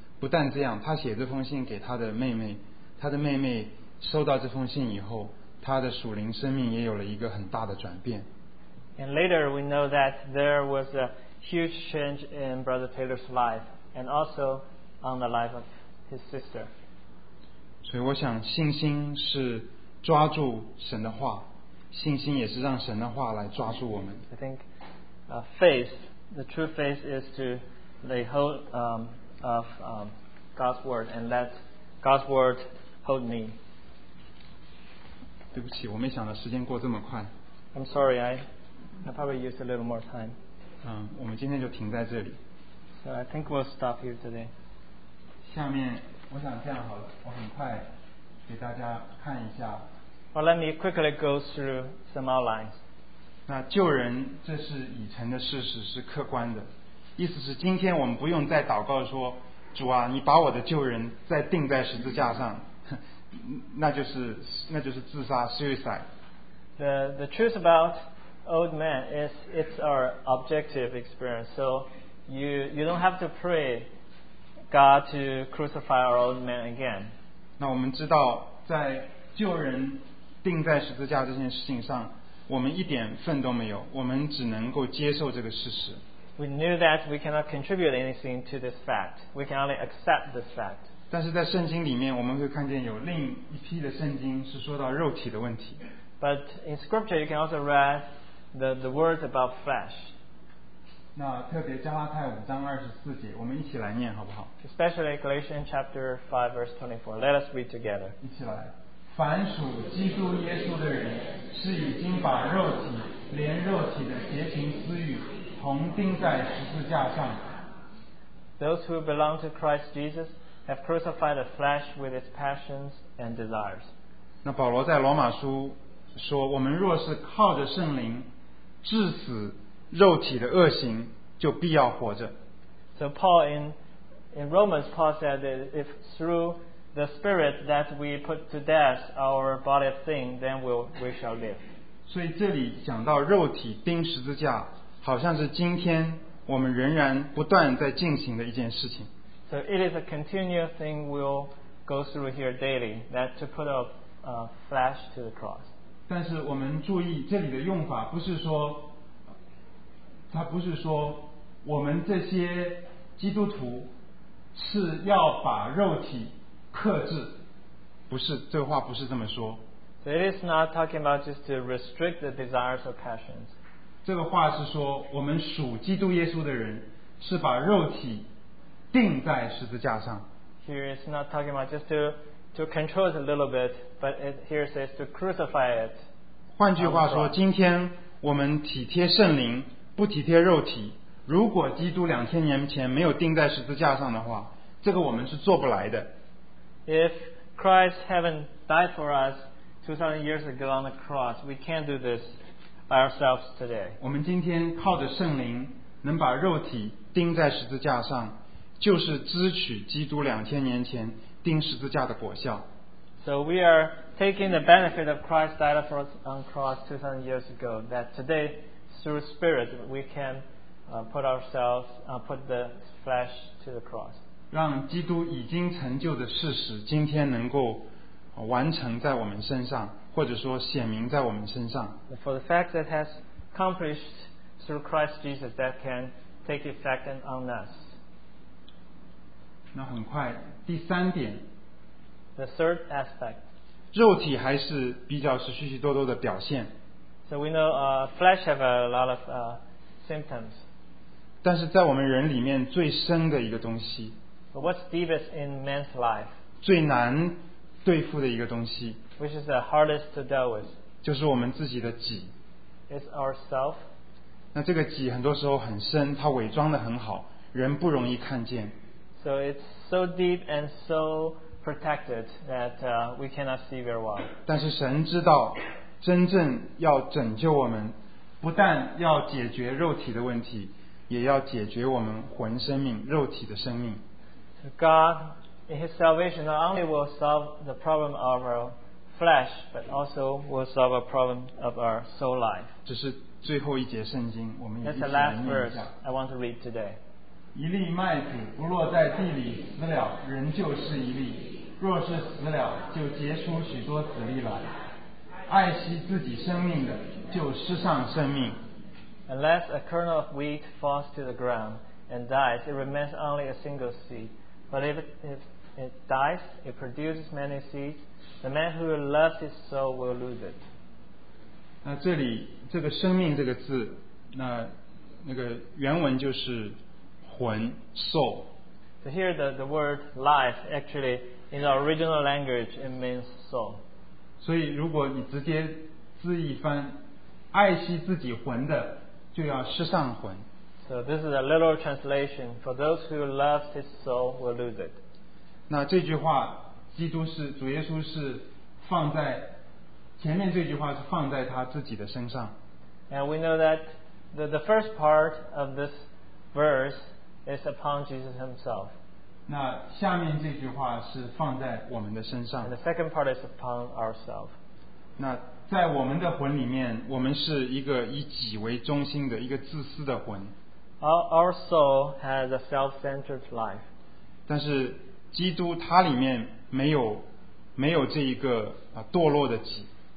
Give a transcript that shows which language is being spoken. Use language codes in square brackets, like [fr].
[zh] 不但这样，他写这封信给他的妹妹，他的妹妹收到这封信以后，他的属灵生命也有了一个很大的转变。 [en] And later we know that there was a huge change in Brother Taylor's life and also on the life of his sister. [zh] 所以我想信心是抓住神的话，信心也是让神的话来抓住我们。 [en] I think faith, the true faith is to lay hold of God's word and let God's word hold me. [zh] 对不起，我没想到时间过这么快。 [en] I'm sorry, I probably use a little more time. [zh] 我们今天就停在这里。 [en] So I think we'll stop here today. [zh] 下面我想这样好了，我很快给大家看一下。 [en] Well, let me quickly go through some outlines. [zh] 那救人这是已成的事实，是客观的。意思是今天我们不用再祷告说，主啊，你把我的救人再钉在十字架上，那就是自杀 suicide. [en] The truth about old man is it's our objective experience. So you don't have to pray God to crucify our old man again. [zh] 那我们知道在救人钉在十字架这件事情上，我们一点份都没有，我们只能够接受这个事实。 [en] We knew that we cannot contribute anything to this fact. We can only accept this fact. [zh] 但是在圣经里面，我们会看见有另一批的圣经是说到肉体的问题。 [en] But in scripture, you can also read the words about flesh. [zh] 那特别加拉太五章二十四节，我们一起来念好不好 [en] ？Especially Galatians chapter 5 verse 24. Let us read together. [zh] 一起来。凡属基督耶稣的人，是已经把肉体连肉体的邪情私欲同钉在十字架上。 [en] Those who belong to Christ Jesus have crucified the flesh with its passions and desires. [zh] 那保罗在罗马书说，我们若是靠着圣灵致死肉体的恶行，就必要活着。 [en] So Paul in Romans, Paul said that if through the spirit that we put to death our body of sin, then we shall live. [zh] 所以这里讲到肉体钉十字架，好像是今天我们仍然不断在进行的一件事情。 [en] So it is a continual thing we'll go through here daily, that to put a flesh to the cross. [zh] 但是我们注意这里的用法，不是说，它不是说我们这些基督徒是要把肉体克制，不是，这个话不是这么说。 [en] So it is not talking about just to restrict the desires or passions. [zh] 这个话是说，我们属基督耶稣的人是把肉体钉在十字架上。 [en] Here it's not talking about just to control it a little bit, but it here says to crucify it. [zh] 换句话说，今天我们体贴圣灵，不体贴肉体。如果基督两千年前没有钉在十字架上的话，这个我们是做不来的。 [en] If Christ haven't died for us 2,000 years ago on the cross, we can't do this by ourselves today. [zh] 我们今天靠着圣灵能把肉体钉在十字架上，就是支取基督两千年前钉十字架的果效。 [en] So we are taking the benefit of Christ died for us on the cross 2,000 years ago, that today through spirit we can put the flesh to the cross. [zh] 让基督已经成就的事实今天能够完成在我们身上，或者说显明在我们身上。 [en] For the fact that has accomplished through Christ Jesus that can take effect on us. [zh] 那很快第三点， [en] The third aspect， [zh] 肉体还是比较是许许多多的表现。 [en] So we know flesh have a lot of symptoms， [zh] 但是在我们人里面最深的一个东西， [en] What's deepest in man's life? [zh] 最难对付的一个东西， [en] which is the hardest to deal with, [zh] 就是我们自己的己。 [en] It's ourself. [zh] 那这个己很多时候很深，它伪装得很好，人不容易看见。 [en] So it's so deep and so protected that we cannot see very well. [zh] 但是神知道，真正要拯救我们，不但要解决肉体的问题，也要解决我们魂生命、肉体的生命。 [en] God in his salvation not only will solve the problem of our flesh but also will solve a problem of our soul life. [zh] 这是最后一节圣经，我们也一起来念一下。 [en] That's the last verse I want to read today. [zh] 一粒麦子不落在地里死了，仍旧是一粒，若是死了，就结出许多子粒来。爱惜自己生命的，就失丧生命。 [en] Unless a kernel of wheat falls to the ground and dies, it remains only a single seed. But if it dies, it produces many seeds. The man who loves his soul will lose it. [zh] 那这里这个生命这个字，那个原文就是魂 soul. [en] So here the word life actually in the original language it means soul. [zh] 所以如果你直接字义翻，爱惜自己魂的就要失丧魂。 [en] So this is a literal translation. For those who love his soul will lose it. [zh] 那这句话，基督是主耶稣是放在前面这句话是放在他自己的身上。 [en] And we know that the first part of this verse is upon Jesus himself. [zh] 那下面这句话是放在我们的身上。 [en] And the second part is upon ourselves. [zh] 那在我们的魂里面，我们是一个以己为中心的一个自私的魂。 [en] Our soul has a self-centered life. [zh] 但是基督他里面没有这一个堕落的己。